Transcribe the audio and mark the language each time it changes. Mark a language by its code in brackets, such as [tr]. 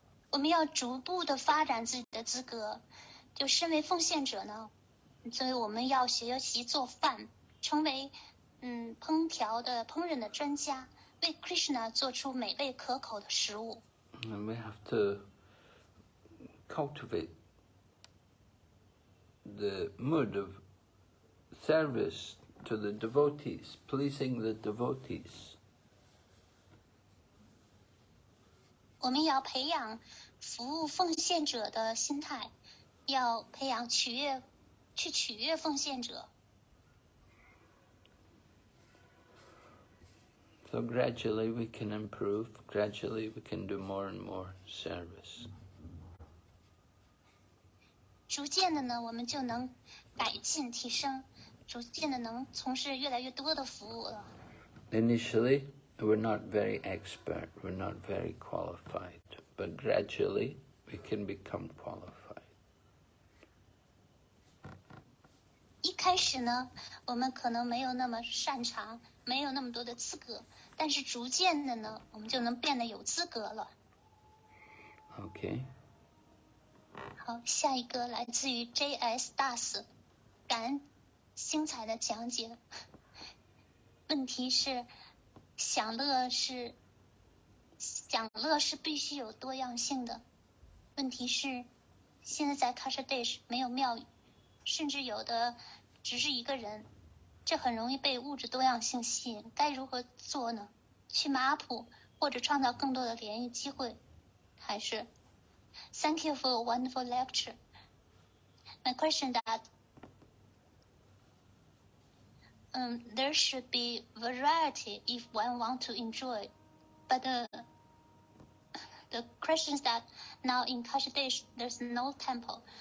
[zh] 我们要逐步的发展自己的资格，就身为奉献者呢，所以我们要学习做饭，成为烹饪的专家，为 Krishna 做出美味可口的食物。 [en] And we have to cultivate the mood of service to the devotees, pleasing the devotees. [zh] 我们要培养服务奉献者的心态，要培养取悦奉献者。 [en] So gradually we can improve, gradually we can do more and more service. [zh] 逐渐的呢，我们就能改进提升，逐渐的能从事越来越多的服务了。 [en] Initially, we're not very expert, we're not very qualified, but gradually we can become qualified. [zh] 一开始呢，我们可能没有那么擅长，没有那么多的资格，但是逐渐的呢，我们就能变得有资格了。 [en] Okay. [zh] 好，下一个来自于 J.S. Das， 感恩精彩的讲解。问题是，享乐是必须有多样性的。问题是，现在在 Kasha Dish 没有庙宇，甚至有的只是一个人，这很容易被物质多样性吸引。该如何做呢？去马普或者创造更多的联谊机会，还是？ [en] Thank you for a wonderful lecture. My question that there should be variety if one want to enjoy. But the question is that now in Kasha Dish, there's no temple.